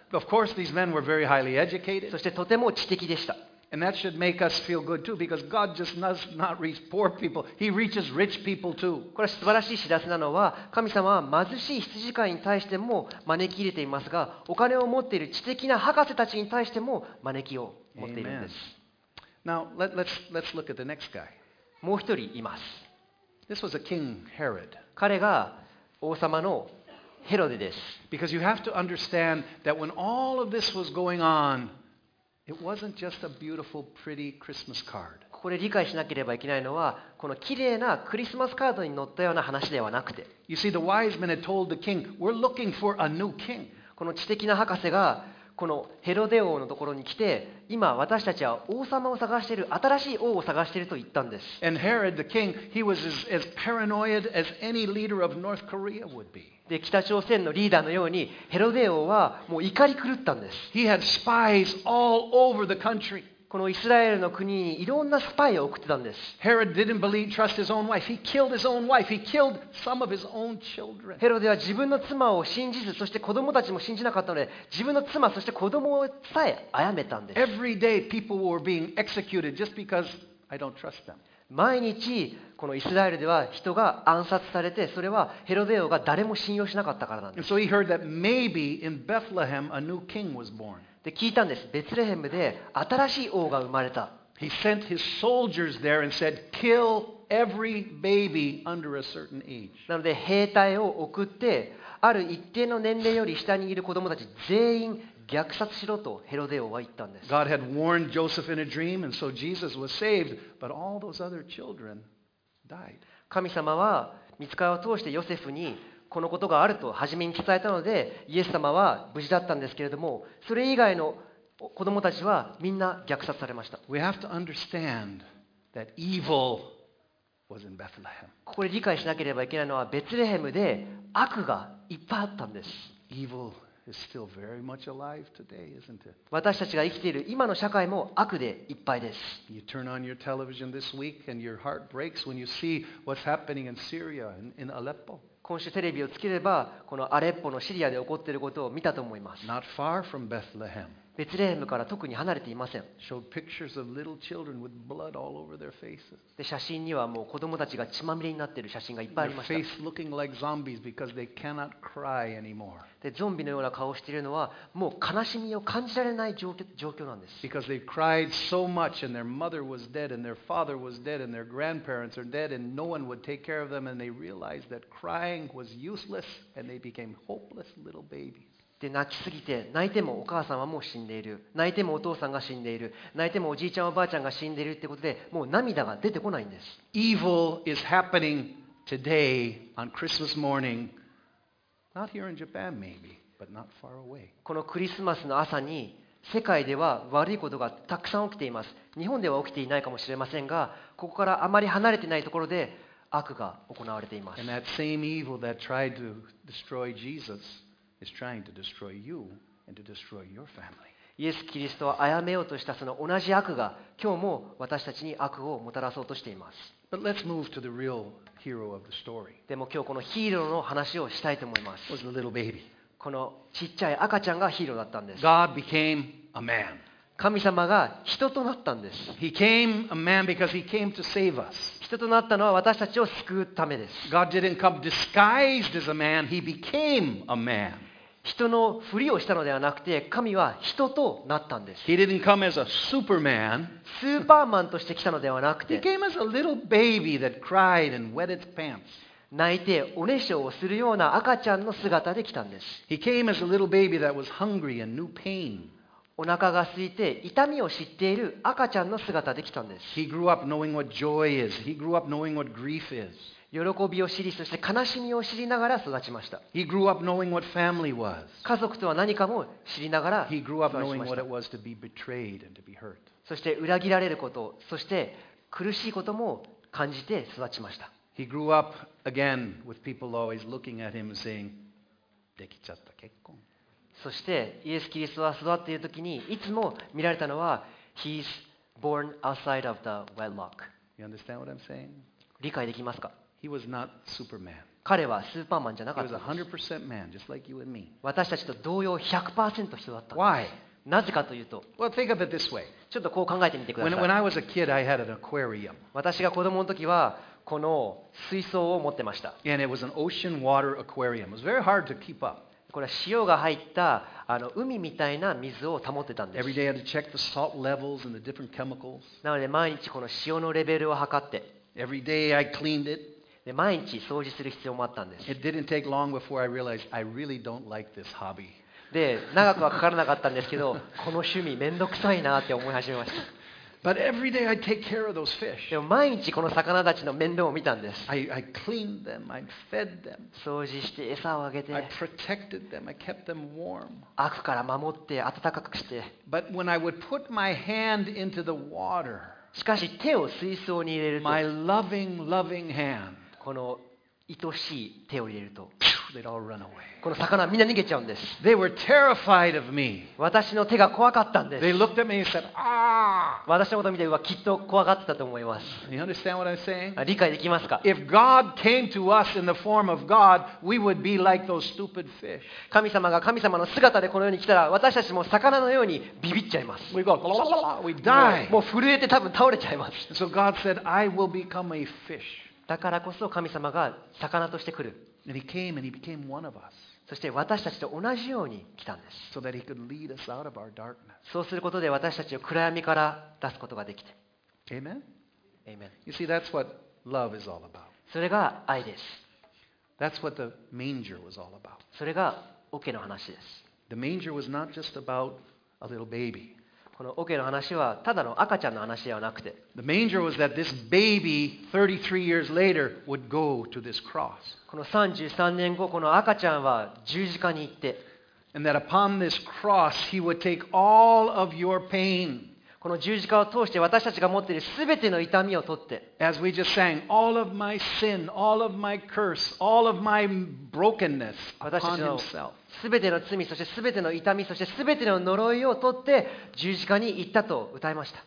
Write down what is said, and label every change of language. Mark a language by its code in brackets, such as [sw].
[en] Of course, these men were very highly educated. [ja] そしてとても知的でした。 [en] And that should make us feel good too, because God just does not reach poor people. He reaches rich people too. [ja] これは素晴らしい知らせなのは、神様は貧しい羊飼いに対しても招き入れていますが、お金を持っている知的な博士たちに対しても招きを持っているんです。 [en] Now, let's look at the next guy. [ja] もう一人います。 [en] This was a King Herod. [ja] 彼が王様のヘロデです。 [en] Because you have to understand that when all of this was going on, it wasn't just a beautiful, pretty Christmas card. [ja] ここで理解しなければいけないのは、この綺麗なクリスマスカードに載ったような話ではなくて。 [en] You see, the wise men had told the king, "We're looking for a new king." [ja] この知的な博士がこのヘロデ王のところに来て、今私たちは王様を探している、新しい王を探していると言ったんです。 [en] And Herod, the king, he was as paranoid as any leader of North Korea would be. [ja] で北朝鮮のリーダーのようにヘロデ王はもう怒り狂ったんです。 [en] He had spies all over the country. [ja] このイスラエルの国にいろんなスパイを送ってたんです。 [en] Herod didn't believe, trust his own wife. He killed his own wife. He killed some of his own children. [ja] ヘロデは自分の妻を信じず、そして子供たちも信じなかったので、自分の妻そして子供をさえ殺めたんです。 [en] Every day people were being executed just because I don't trust them. [ja] 毎日このイスラエルでは人が暗殺されて、それはヘロデ王が誰も信用しなかったからなんです。 [en] So he heard that maybe in Bethlehem a new king was born. [ja] で聞いたんです。ベツレヘムで新しい王が生まれた。 [en] He sent his soldiers there and said, kill every baby under a certain age. [ja] なので兵隊を送って、ある一定の年齢より下にいる子供たち全員虐殺しろとヘロデ王は言ったんです。 [en] God had warned Joseph in a dream, and so Jesus was saved, but all those other children died. [ja] 神様は御使いを通してヨセフにこのことがあると初めに伝えたので、イエス様は無事だったんですけれども、それ以外の子供たちはみんな虐殺されました。 [en] We have to understand that evil was in Bethlehem. [ja] ここで理解しなければいけないのは、ベツレヘムで悪がいっぱいあったんです。 [en] EvilIs still very much alive today, isn't it? [ja] 私たちが生きている今の社会も悪でいっぱいです。 [en] You turn on your television this week and your heart breaks when you see what's happening in Syria and in Aleppo. [ja] 今週テレビをつければこのアレッポのシリアで起こっていることを見たと思います。 [en] Not far from Bethlehem. [ja] ベツレヘムから特に離れていません。 [en] Showed pictures of little children with blood all over their faces. [ja] で写真にはもう子供たちが血まみれになっている写真がいっぱいありました。 [en] Their face looking like zombies because they cannot cry anymore. [ja] でゾンビのような顔をしているのはもう悲しみを感じられない状況なんです。 [en] Because they cried so much and their mother was dead and their father was dead and their grandparents are dead and no one would take care of them and they realized that crying was useless and they became hopeless little babies. [ja] で泣きすぎて、泣いてもお母さんはもう死んでいる、泣いてもお父さんが死んでいる、泣いてもおじいちゃんおばあちゃんが死んでいるってことで、もう涙が出てこないんです。 [en] Evil is happening today on Christmas morningNot here in Japan, maybe, but not far away. [ja] このクリスマスの朝に世界では悪いことがたくさん起きています。日本では起きていないかもしれませんが、ここからあまり離れていないところで悪が行われています。 [en] And that same evil that tried to destroy Jesus is trying to destroy you and to destroy your family. [ja] イエス・キリストを殺めようとしたその同じ悪が、今日も私たちに悪をもたらそうとしています。 [en] But let's move to the real hero of the story. [ja] でも今日このヒーローの話をしたいと思います。 [en] Was a little baby. [ja] このちっちゃい赤ちゃんがヒーローだったんです。 [en] God became a man. [ja] 神様が人となったんです。 [en] He became a man because he came to save us. [ja] 人となったのは私たちを救うためです。 [en] God didn't come disguised as a man. He became a man. [ja] 人のふりをしたのではなくて、神は人となったんです。 [en] He didn't come as a Superman. [ja] スーパーマンとして来たのではなくて、 [en] He came as a little baby that cried and wet its pants. [ja] 泣いておねしょをするような赤ちゃんの姿で来たんです。 [en] He came as a little baby that was hungry and knew pain. [ja] お腹が空いて痛みを知っている赤ちゃんの姿で来たんです。 [en] He grew up knowing what joy is. He grew up knowing what grief is. [ja] 喜びを知り、そして悲しみを知りながら育ちました。 [en] He grew up knowing what family was. [ja] 家族とは何かも知りながら育ちました [en] 。He grew up knowing what it was to be betrayed and to be hurt. [ja] そして裏切られること、そして苦しいことも感じて育ちました。 [en] He grew up again with people always looking at him saying, [ja] できちゃった結婚。そしてイエス・キリストは育っているときにいつも見られたのは [en] He's born outside of the wedlock. You understand what I'm saying? [ja] 理解できますか? [en] He was not Superman. [ja] 彼はスーパーマンじゃなかったんです。 [en] He was 100% man, just like you and me. [ja] 私たちと同様 100% 人だったんです。 [en] Why? [ja] なぜかというと、 [en] Well, think of it this way. [ja] ちょっとこう考えてみてください。 [en] When I was a kid, I had an aquarium. [ja] 私が子供のときはこの水槽を持ってました。 [en] And it was an ocean water aquarium. It was very hard to keep up. [ja] これは塩が入ったあの海みたいな水を保ってたんです。 [en] Every day I had to check the salt levels and the different chemicals. [ja] なので毎日この塩のレベルを測って。 [en] Every day I cleaned it. [ja] で毎日掃除する必要もあったんです。 [en] It didn't take long before I realized I really don't like this hobby. [ja] で長くはかからなかったんですけど、この趣味めんどくさいなって思い始めました。 [en] But every day I take care of those fish. [ja] でも毎日この魚たちの面倒を見たんです。 [en] I cleaned them, I fed them. [ja] 掃除して餌をあげて。 [en] I protected them, I kept them warm. [ja] 悪から守って暖かくして。 [en] But when I would put my hand into the water, [ja] しかし手を水槽に入れると、 [en] my loving, loving hand, [ja] この愛しい手を入れると、 [en] they'd all run away. [ja] この魚はみんな逃げちゃうんです。 [en] They were terrified of me. [ja] 私の手が怖かったんです。 [en] They looked at me and said, ah! [ja] 私のことを見て、うわ、きっと怖がってたと思います。 [en] You understand what I'm saying? [ja] 理解できますか? [en] If God came to us in the form of God, we would be like those stupid fish. [ja] 神様が神様の姿でこの世に来たら、私たちも魚のようにビビっちゃいます。 [en] We go, la, la, la, la, we die. [ja] もう震えて多分倒れちゃいます。 [en] So God said, I will become a fish. [ja] だからこそ神様が魚として来る。 [en] And he came and he became one of us. [ja] そして私たちと同じように来たんです。 [en] So that he could lead us out of our darkness. [ja] そうすることで私たちを暗闇から出すことができて。 [en] Amen? Amen. You see, that's what love is all about. [ja] それが愛です。 [en] That's what the manger was all about. [ja] それが桶の話です。 [en] The manger was not just about a little baby. [ja] この桶の話はただの赤ちゃんの話ではなくて、 [en] The manger was that this baby, 33 years later, would go to this cross. [ja] この33年後、この赤ちゃんは十字架に行って、 [en] And that upon this cross, he would take all of your pain. [ja] この十字架を通して私たちが持っているすべての痛みを取って、 [en] As we just sang, all of my sin, all of my curse, all of my brokenness upon himself. [ja] すべての罪、そしてすべての痛み、そしてすべての呪いを取って十字架に行ったと歌いました。